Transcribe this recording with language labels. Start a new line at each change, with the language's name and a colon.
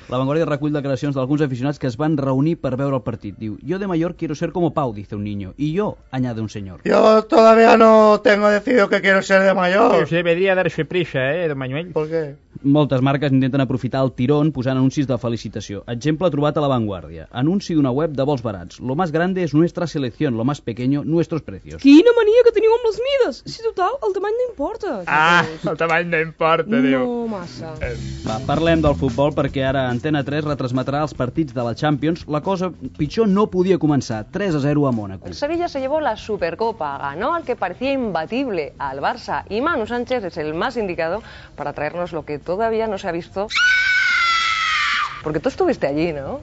Catalan: La Vanguardia recull declaracions d'alguns aficionats que es van reunir per veure el partit.
Spanish: Diu, yo de mayor quiero ser como Pau, dice un niño. Y yo, añade un señor. Yo todavía no tengo decidido que quiero ser de mayor. Pues debería darse prisa, don Manuel. ¿Por qué?
Catalan: Moltes marques intenten aprofitar el tirón posant anuncis de felicitació. Exemple trobat a La Vanguardia. Anunci d'una web de vols barats.
Spanish: Lo más grande es nuestra selección, lo más pequeño, nuestros precios.
Catalan: Quina mania que teniu amb les mides! Si total, el tamany no importa. Ah, el tamany no importa, no, diu. No massa. Va, parlem del futbol perquè ara Antena 3 retransmetrà els partits de la Champions. La cosa pitjor no podia començar. 3-0 a Mónaco.
Spanish: El Sevilla se llevó la Supercopa. Ganó al que parecía imbatible, al Barça. Y Manu Sánchez es el más indicado para traernos lo que todavía no se ha visto. Porque tú estuviste allí, ¿no?